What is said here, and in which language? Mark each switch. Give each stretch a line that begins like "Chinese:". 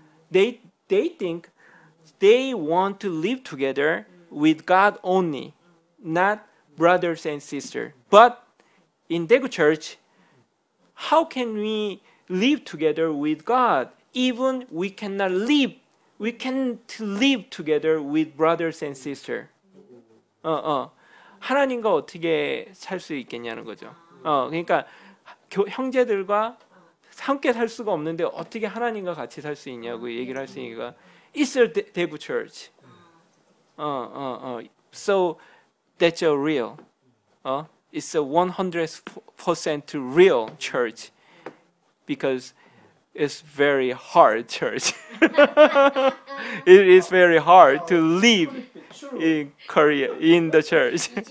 English: They think they want to live together with God only, not brothers and sisters. But in Daegu Church, how can we live together with God? Even we cannot live together with brothers and sisters.
Korean: 하나님과 어떻게 살 수 있겠냐는 거죠. 그러니까 형제들과 함께 살 수가 없는데 어떻게 하나님과 같이 살 수 있냐고 얘기를 할 수 있으니까 있을 대구 church.
English: So that's a real. It's a 100% real church because it's very hard church. It is very hard to live in Korea in the church.